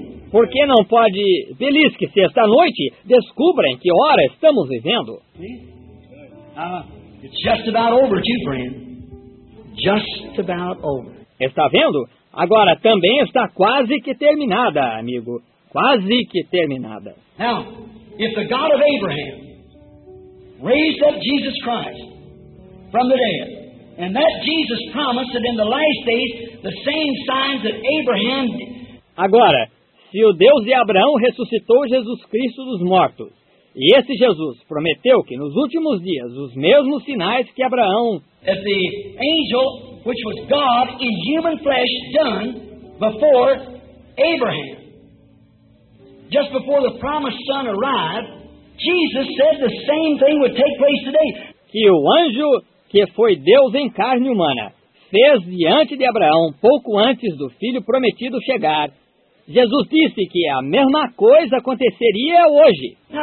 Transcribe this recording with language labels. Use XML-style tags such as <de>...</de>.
<pt>Por que não pode, belisque-se esta noite, descubra em que hora estamos vivendo?</pt> <en>It's just about over, too, friend. Just about over.</en> <pt>Está vendo? Agora também está quase que terminada, amigo. Quase que terminada.</pt> <en>Now, if the God of Abraham raised up Jesus Christ from the dead, and that Jesus promised that in the last days the same signs that Abraham did.</en> <pt>Agora, se o Deus de Abraão ressuscitou Jesus Cristo dos mortos, e esse Jesus prometeu que nos últimos dias os mesmos sinais que Abraão,</pt> <en>as the angel which was God in human flesh done before Abraham, just before the promised son arrived, Jesus said the same thing would take place today.</en> <pt>Que o anjo que foi Deus em carne humana fez diante de Abraão pouco antes do filho prometido chegar. Jesus disse que a mesma coisa aconteceria hoje.</pt>